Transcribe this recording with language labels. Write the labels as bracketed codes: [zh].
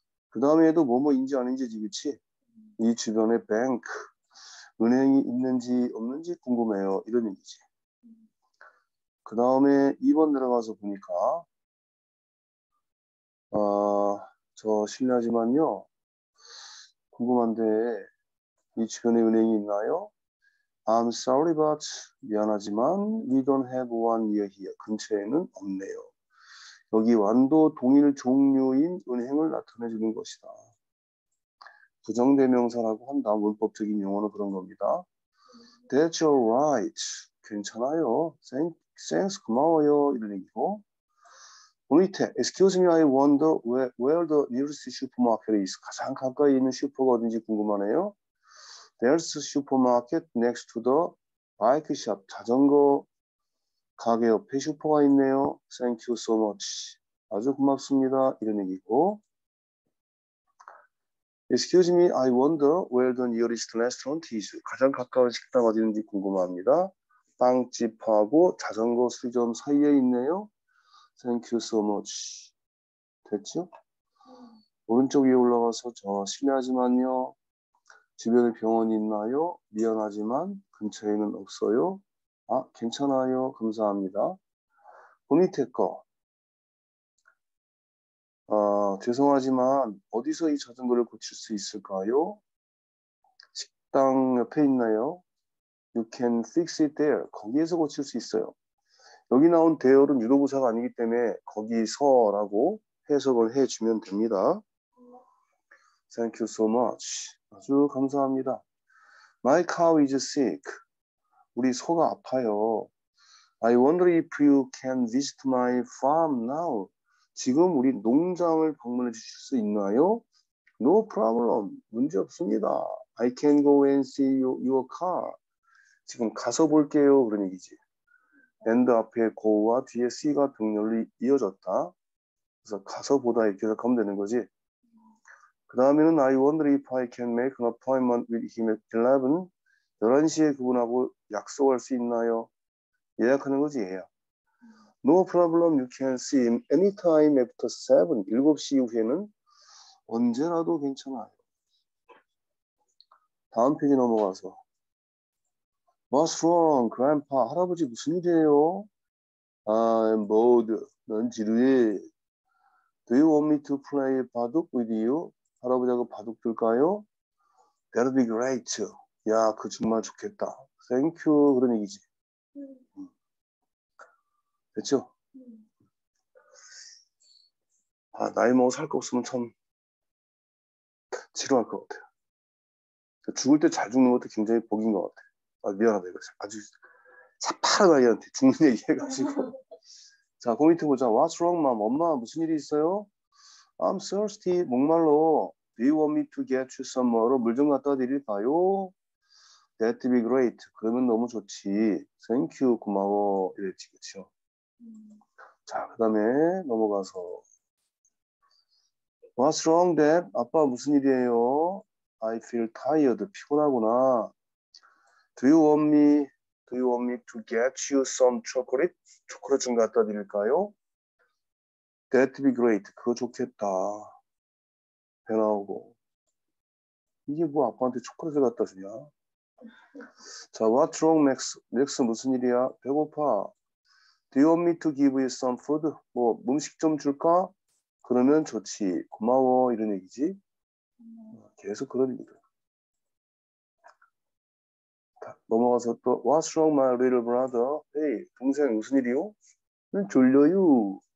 [ko] 그 다음에도 뭐뭐인지 아닌지지, 그치? 이 주변에 뱅크, 은행이 있는지 없는지 궁금해요. 이런 얘기지. 그 다음에 2번 내려가서 보니까, 저 실례하지만요. 궁금한데, 이 주변에 은행이 있나요? [en] I'm sorry, but [ko] 미안하지만, [en] we don't have one near here. [ko] 근처에는 없네요. 여기 완도 동일 종류인 은행을 나타내 주는 것이다. 부정대명사라고 한다. 문법적인 용어는 그런 겁니다. [en] That's alright. [ko] 괜찮아요. [en] Thanks. [ko] 고마워요. 이런 얘기고. 밑에 [en] Excuse me, I wonder where the nearest supermarket is. [ko] 가장 가까이 있는 슈퍼가 어딘지 궁금하네요. [en] There's a supermarket next to the bike shop. [ko] 자전거 가게 옆에 슈퍼가 있네요. [en] Thank you so much. [ko] 아주 고맙습니다. 이런 얘기고. [en] Excuse me, I wonder where the nearest restaurant is. [ko] 가장 가까운 식당 어디 있는지 궁금합니다. 빵집하고 자전거 수리점 사이에 있네요. [en] Thank you so much. [ko] 됐죠? 오른쪽 위에 올라가서 저 실례하지만요. 주변에 병원이 있나요? 미안하지만 근처에는 없어요. 괜찮아요. 감사합니다. 그 밑에 거. 죄송하지만, 어디서 이 자전거를 고칠 수 있을까요? 식당 옆에 있나요? [en] You can fix it there. [ko] 거기에서 고칠 수 있어요. 여기 나온 대열은 유도부사가 아니기 때문에 거기서라고 해석을 해주면 됩니다. [en] Thank you so much. [ko] 아주 감사합니다. [en] My car is sick. [ko] 우리 소가 아파요. [en] I wonder if you can visit my farm now. [ko] 지금 우리 농장을 방문해 주실 수 있나요? [en] No problem. [ko] 문제 없습니다. [en] I can go and see your car. [ko] 지금 가서 볼게요. 그런 얘기지. And 앞에 go와 뒤에 see가 병렬로 이어졌다. 그래서 가서 보다 이렇게 해석하면 되는 거지. 그 다음에는 [en] I wonder if I can make an appointment with him at 11. [ko] 11시에 그분하고 약속할 수 있나요? 예약하는 거지, 예약. [en] No problem, you can see him anytime after 7. [ko] 7시 이후에는 언제라도 괜찮아요. 다음 페이지 넘어가서. [en] What's wrong, Grandpa? [ko] 할아버지 무슨 일이에요? [en] I'm bored. [ko] 난 지루해. [en] Do you want me to play 바둑 with you? [ko] 할아버지하고 바둑 둘까요? [en] That'd be great. [ko] 야, 그 정말 좋겠다. [en] Thank you. [ko] 그런 얘기지. 됐죠? 아, 나이 먹어 살거 없으면 참 지루할 것 같아요. 죽을 때잘 죽는 것도 굉장히 복인 것 같아요. 아, 미안하다. 이거 아주 사파라 나이한테 죽는 얘기 해가지고. 자, 고 밑에 보자. [en] What's wrong, mom? [ko] 엄마, 무슨 일이 있어요? [en] I'm thirsty. [ko] 목말로. [en] Do you want me to get you some water? [ko] 물좀 갖다 드릴까요? [en] That'd be great. [ko] 그러면 너무 좋지. [en] Thank you. [ko] 고마워. 이랬지, 그쵸? 자, 그 다음에 넘어가서. [en] What's wrong, Dad? [ko] 아빠 무슨 일이에요? [en] I feel tired. [ko] 피곤하구나. [en] Do you want me to get you some chocolate? [ko] 초콜릿 좀 갖다 드릴까요? [en] That'd be great. [ko] 그거 좋겠다. 배 나오고. 이게 뭐 아빠한테 초콜릿을 갖다 주냐? 자, [en] what's wrong, Max? [ko] Max, 무슨 일이야? 배고파. [en] Do you want me to give you some food? [ko] 뭐, 음식 좀 줄까? 그러면 좋지. 고마워. 이런 얘기지. 계속 그런 얘기다. 넘어가서 또, [en] what's wrong, my little brother? [ko] Hey, 동생, 무슨 일이요? 졸려요.